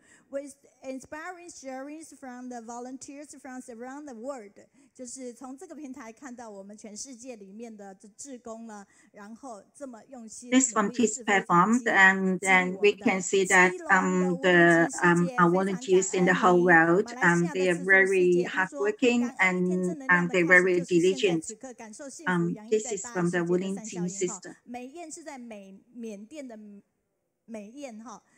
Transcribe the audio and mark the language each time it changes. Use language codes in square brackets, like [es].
[en] With inspiring sharings from the volunteers from around the world. [zh] 就是从这个平台看到我们全世界里面的志工呢，然后这么用心。 [en] This from this platform, and then we can see that our volunteers in the whole world, they are very hardworking and they're very diligent. This is from the volunteer system. [zh] 美燕是在缅甸的美燕哈。